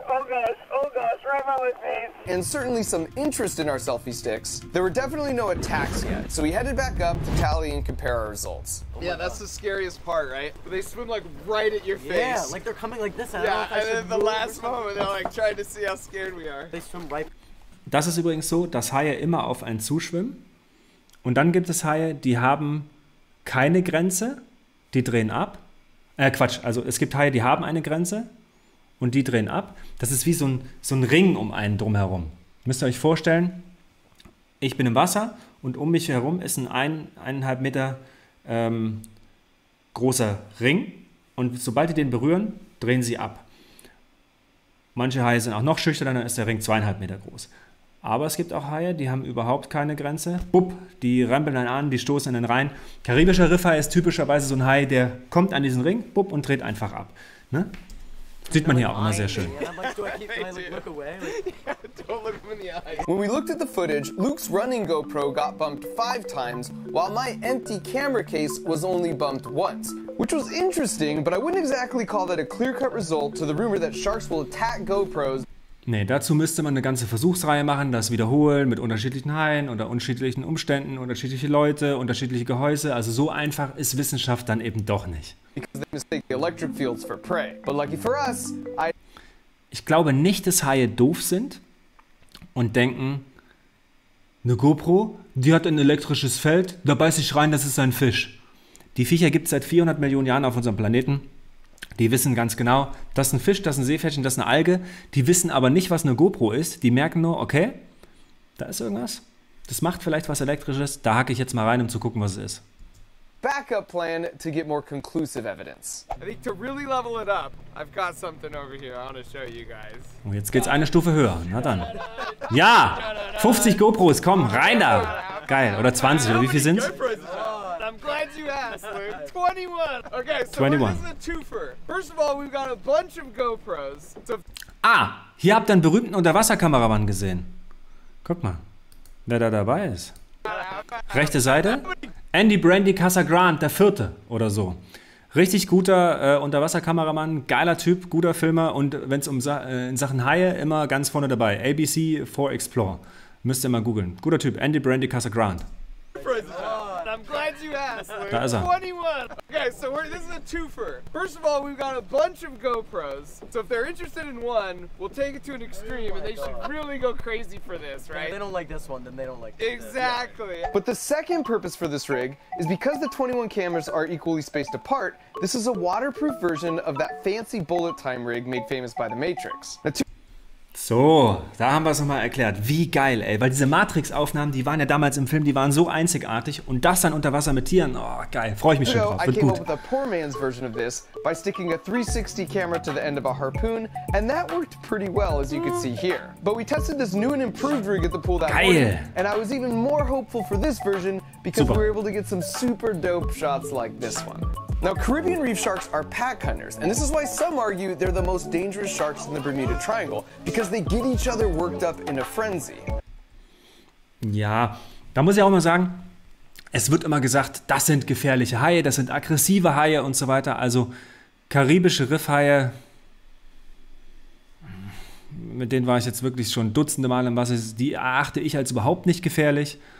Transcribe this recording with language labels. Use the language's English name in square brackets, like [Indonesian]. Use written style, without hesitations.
[English] oh gosh, right by my face, and certainly some interest in our selfie sticks, there were definitely no attacks yet. So we headed back up to tally and compare our results. Yeah, that's the scariest part, right? They swim like right at your face. Yeah, like they're coming like this. Yeah, and at the last moment, they're like trying to see how scared we are. They swim right. [German] Das ist übrigens so, dass Haie immer auf einen zuschwimmen. Und dann gibt es Haie, die haben keine Grenze, die drehen ab. Quatsch, also es gibt Haie, die haben eine Grenze und die drehen ab. Das ist wie so ein Ring um einen drumherum. Müsst ihr euch vorstellen, ich bin im Wasser und um mich herum ist ein 1,5 Meter großer Ring. Und sobald die den berühren, drehen sie ab. Manche Haie sind auch noch schüchterner, dann ist der Ring 2,5 Meter groß. Aber es gibt auch Haie, die haben überhaupt keine Grenze. Bupp, die rempeln dann an, die stoßen in den Rhein. Karibischer Riffhai ist typischerweise so ein Hai, der kommt an diesen Ring, bupp, und dreht einfach ab. Ne? Sieht man hier auch immer sehr schön. [English] When we looked at the footage, Luke's running GoPro got bumped 5 times, while my empty camera case was only bumped once. Which was interesting, but I wouldn't exactly call that a clear-cut result to the rumor that sharks will attack GoPros. [German] Nee, dazu müsste man eine ganze Versuchsreihe machen, das wiederholen mit unterschiedlichen Haien oder unterschiedlichen Umständen, unterschiedliche Leute, unterschiedliche Gehäuse. Also so einfach ist Wissenschaft dann eben doch nicht. [English] Because they mistake the electric fields for prey. But lucky for us, I... [German] Ich glaube nicht, dass Haie doof sind und denken, eine GoPro, die hat ein elektrisches Feld, da beiß ich rein, das ist ein Fisch. Die Viecher gibt es seit 400 Millionen Jahren auf unserem Planeten. Die wissen ganz genau, das ist ein Fisch, das ist ein Seepferdchen, das ist eine Alge. Die wissen aber nicht, was eine GoPro ist. Die merken nur, okay, da ist irgendwas. Das macht vielleicht was Elektrisches. Da hacke ich jetzt mal rein, um zu gucken, was es ist. [English] Backup plan to get more conclusive evidence. I think to really level it up, I've got something over here I want to show you guys. [German] Und jetzt geht's eine Stufe höher. Na dann. Ja, 50 GoPros, komm, rein da. Geil, oder 20, oder wie viel sind's? [English] I'm glad you asked, Luke. 21. Okay, so 21. This is a twofer. First of all, we've got a bunch of GoPros. So [German] hier habt ihr einen berühmten Unterwasserkameramann gesehen. Guck mal, wer da dabei ist. Rechte Seite. Andy Brandy Casagrande, der vierte oder so. Richtig guter Unterwasserkameramann, geiler Typ, guter Filmer und wenn es um in Sachen Haie immer ganz vorne dabei. ABC 4 Explore. Müsst ihr mal googeln. Guter Typ, Andy Brandy Casagrande. [English] I'm glad you asked. [German] Da ist er. [English] 21. Okay, so this is a twofer. First of all, we've got a bunch of GoPros. So if they're interested in one, we'll take it to an extreme and they should really go crazy for this, right? If they don't like this one, then they don't like this. Exactly. Yeah. But the second purpose for this rig is because the 21 cameras are equally spaced apart, this is a waterproof version of that fancy bullet time rig made famous by The Matrix. [German] So, da haben wir es nochmal erklärt. Wie geil, ey. Weil diese Matrix-Aufnahmen, die waren ja damals im Film, die waren so einzigartig. Und das dann unter Wasser mit Tieren, oh geil, freue ich mich schon drauf. Wird gut. [English] I came up with a poor man's version of this by sticking a 360 camera to the end of a harpoon. And that worked pretty well, as you can see here. But we tested this new and improved rig at the pool that [German] geil. [English] Morning. And I was even more hopeful for this version, because super. We were able to get some super dope shots like this one. Now, Caribbean reef sharks are pack hunters, and this is why some argue they're the most dangerous sharks in the Bermuda Triangle, because they get each other worked up in a frenzy. [German] Ja, da muss ich auch mal sagen, es wird immer gesagt, das sind gefährliche Haie, das sind aggressive Haie und so weiter. Also, karibische Riffhaie, mit denen war ich jetzt wirklich schon dutzende Male im Wasser, die erachte ich als überhaupt nicht gefährlich.